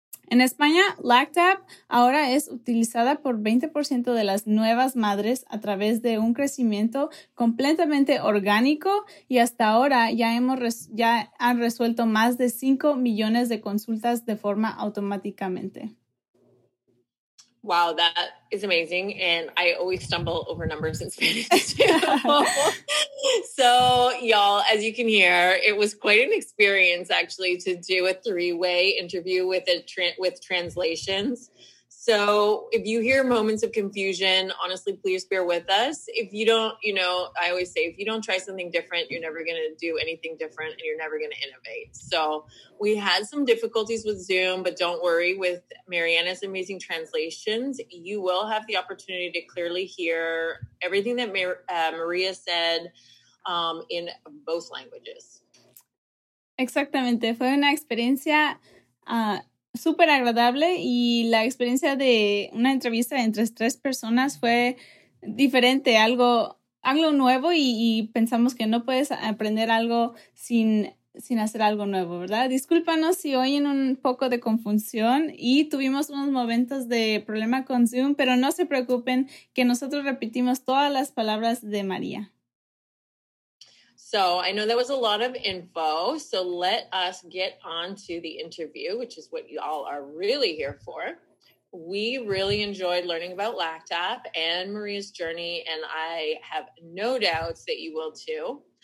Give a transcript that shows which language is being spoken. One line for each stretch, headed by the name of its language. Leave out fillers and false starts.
Spanish: En España, LactApp ahora es utilizada por 20% de las nuevas madres a través de un crecimiento completamente orgánico y hasta ahora ya han resuelto más de 5 millones de consultas de forma automáticamente.
English: Wow, that is amazing. And I always stumble over numbers in Spanish too. So y'all, as you can hear, it was quite an experience actually to do a three-way interview with translations. So if you hear moments of confusion, honestly, please bear with us. If you don't, you know, I always say, if you don't try something different, you're never going to do anything different and you're never going to innovate. So we had some difficulties with Zoom, but don't worry, with Mariana's amazing translations, you will have the opportunity to clearly hear everything that Maria said in both languages.
Spanish: Exactamente. Fue una experiencia súper agradable y la experiencia de una entrevista entre tres personas fue diferente, algo nuevo y pensamos que no puedes aprender algo sin hacer algo nuevo, ¿verdad? Discúlpanos si oyen un poco de confusión y tuvimos unos momentos de problema con Zoom, pero no se preocupen que nosotros repetimos todas las palabras de María.
English: So I know that was a lot of info, so let us get on to the interview, which is what you all are really here for. We really enjoyed learning about LactApp and Maria's journey, and I have no doubts that you will too.